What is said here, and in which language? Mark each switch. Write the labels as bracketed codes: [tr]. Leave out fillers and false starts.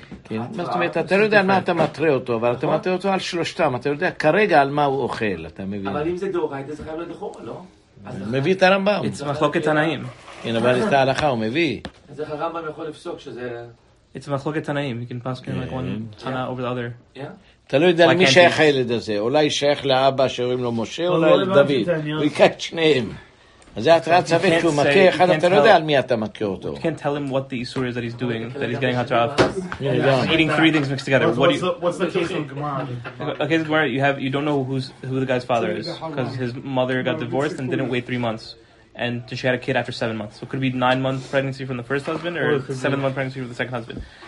[he] מה זאת אומרת, אתה לא יודע על מה אתה מטרה אותו, אבל אתה מטרה אותו על שלושתם, אתה יודע כרגע על מה הוא אוכל, אתה מבין. אבל אם זה דאורייתא, זה חייב להיות חומרא, לא? מביא את הרמב״ם. זה מחלוקת תנאים. הנה, אבל את ההלכה הוא מביא. אז איך הרמב״ם יכול לפסוק שזה... זה מחלוקת תנאים, [en] you can pass like one tana over the other. [he] אתה לא יודע למי שייך הילד הזה, אולי שייך לאבא שאומרים לו משה, אולי לדוד. הוא יקח את שניהם. אז זה התראת ספק, כי הוא מכה אחד, אתה לא יודע על מי אתה מכה אותו. [en] You can't tell him what the isur is that he's doing, that he's getting hatra of. Eating three things mixed together. What's the case of Gemara? Okay, Gemara, you don't know who the guy's father is, because his mother got divorced and didn't wait 3 months. And she had a kid after 7 months. So it could be 9 month pregnancy from the first husband, or 7 month pregnancy from the second husband.